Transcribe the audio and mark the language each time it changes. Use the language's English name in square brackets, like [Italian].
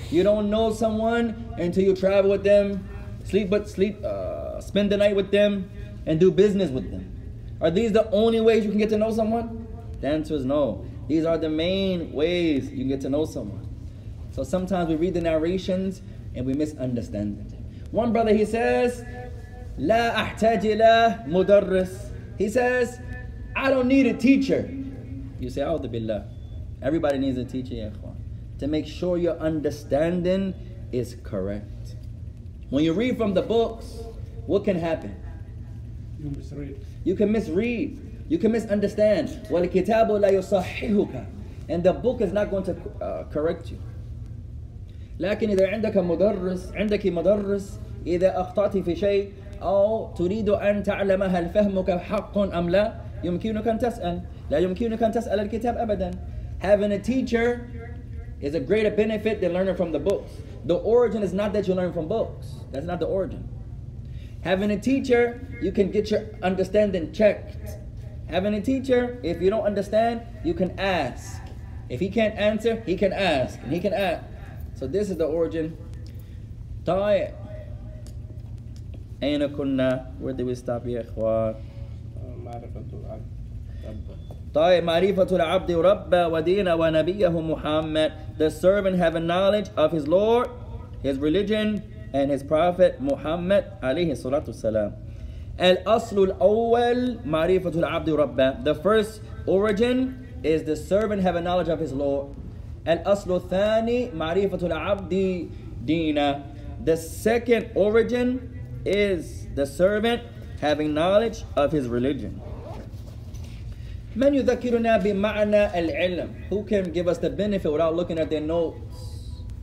[English] You don't know someone until you travel with them, spend the night with them, and do business with them. Are these the only ways you can get to know someone? The answer is no. These are the main ways you can get to know someone. So sometimes we read the narrations and we misunderstand it. One brother, he says, [Arabic] لا أحتاج إلى مدرس. [English] He says, I don't need a teacher. You say, [Arabic] أعوذ بالله. [English] Everybody needs a teacher, ya ikhwan, to make sure your understanding is correct. When you read from the books, what can happen? You misread. You can misread. You can misunderstand. [Arabic] وَالْكِتَابُ لَا يُصَحِّهُكَ. [English] And the book is not going to correct you. [Arabic] لكن إذا عندك مدرس عندك مدرس إذا أخطأت في شيء أو تريد أن تعلم هل فهمك حق أم لا يمكنك أن تسأل لا يمكنك أن تسأل الكتاب أبدا. [English] Having a teacher is a greater benefit than learning from the books. The origin is not that you learn from books. That's not the origin. Having a teacher, you can get your understanding checked. Having a teacher, if you don't understand, you can ask. If he can't answer, he can ask. And he can ask. So this is the origin. طيب. [Arabic] أين كنا؟ [English] Where did we stop, [Arabic] يا إخوان؟ معرفة العبد طيب معرفة العبد رب ودين ونبيه محمد. [English] The servant have a knowledge of his Lord, his religion, and his prophet Muhammad [Arabic] عليه الصلاة والسلام. الأصل الأول معرفة العبد رب. [English] The first origin is the servant have a knowledge of his Lord. [Arabic] الأصل الثاني معرفة العبد دينا. [English] The second origin is the servant having knowledge of his religion. [Arabic] من يذكرنا بمعنى العلم. [English] Who can give us the benefit without looking at their notes?